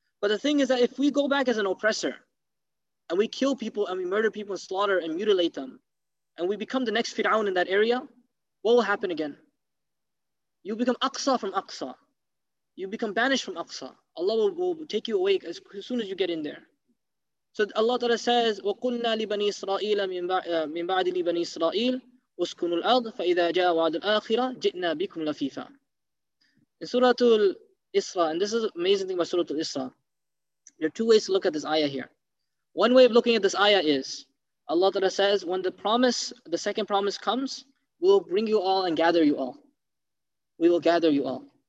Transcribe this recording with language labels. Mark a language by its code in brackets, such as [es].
[en] But the thing is that if we go back as an oppressor and we kill people and we murder people and slaughter and mutilate them and we become the next Fir'aun in that area, what will happen again? You become Aqsa from Aqsa. You become banished from Aqsa. Allah will take you away as soon as you get in there. So Allah Ta'ala says, [ar] وَقُلْنَا لِبَنِي إِسْرَائِيلَ مِنْ بَعْدِ لِبَنِي إِسْرَائِيلَ اسْكُنُوا الْأَرْضَ فَإِذَا جَاءَ وَعَدُ الْآخِرَةِ جِئْنَا بِكُمْ لَفِيفًا. [en] In Suratul Isra, and this is an amazing thing about Suratul Isra, there are two ways to look at this ayah here. One way of looking at this ayah is, Allah Ta'ala says, when the promise, the second promise comes, we'll bring you all and gather you all. We will gather you all.